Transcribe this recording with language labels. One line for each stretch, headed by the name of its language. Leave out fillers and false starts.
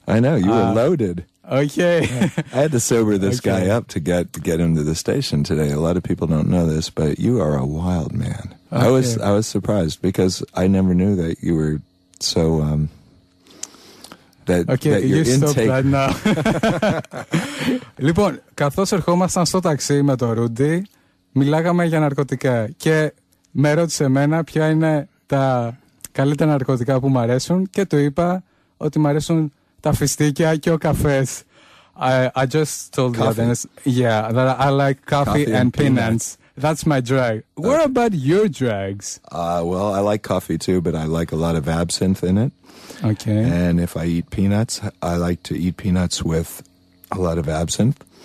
English: I know, you were loaded. Okay. I had to sober this guy up to get him to the station today. A lot of people don't know this, but you are a wild man. Okay. I was surprised because I never knew that you were so Now.
Greek: Λοιπόν, καθώς ερχόμασταν στο ταξί με τον Rudy, μιλάγαμε για ναρκωτικά και με ρώτησε εμένα ποια είναι τα καλύτερα ναρκωτικά που μου αρέσουν και του είπα ότι μου αρέσουν τα φιστίκια και ο καφές.
English: I just told coffee. The audience, yeah, that I like coffee and peanuts. That's my drug. What about your drugs? Well, I like coffee too, but I like a lot of absinthe in it. Okay. And if I eat peanuts, I like to eat peanuts with a lot of absinthe.